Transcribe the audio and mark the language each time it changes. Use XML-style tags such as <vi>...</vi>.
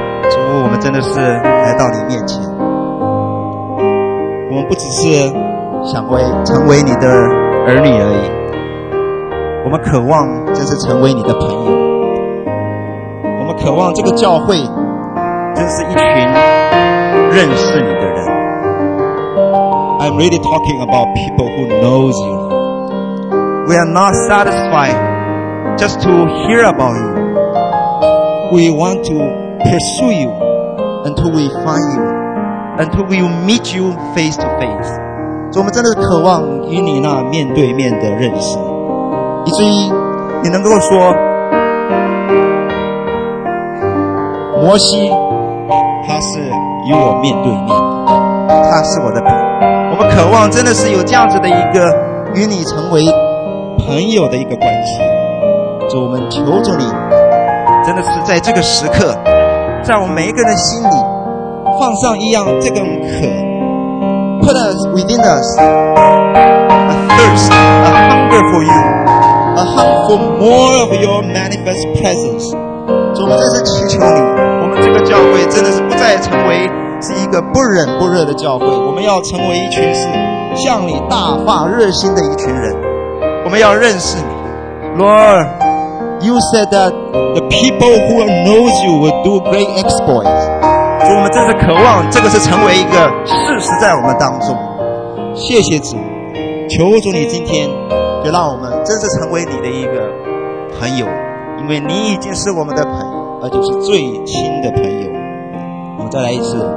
<zh>主，我们真的是来到你面前，我们不只是想为成为你的儿女而已，我们渴望真是成为你的朋友，我们渴望这个教会真是一群认识你的人。</zh> <en>I'm really talking about people who knows you. We are not satisfied just to hear about you. We want to pursue you until we find you, until we meet you face to face.</en> <zh>So, 我们真的渴望与你那面对面的认识，以至于你能够说，摩西他是与我面对面，他是我的朋友。我们渴望真的是有这样子的一个与你成为。朋友的一个关系，主，我们求着你，真的是在这个时刻，在我们每一个人的心里，放上一样这种渴 ， put us within us a thirst, a hunger for you, a hunger for more of your manifest presence。主，我们真是祈求你，我们这个教会真的是不再成为是一个不冷不热的教会，我们要成为一群是向你大发热心的一群人。我们要认识你</zh> <en>Lord, you said that the people who knows you will do great exploits.</en> <zh>主，我们真是渴望这个是成为一个事实在我们当中。谢谢主，求主你今天就让我们真是成为你的一个朋友，因为你已经是我们的朋友，而且是最亲的朋友。我们再来一次。</zh>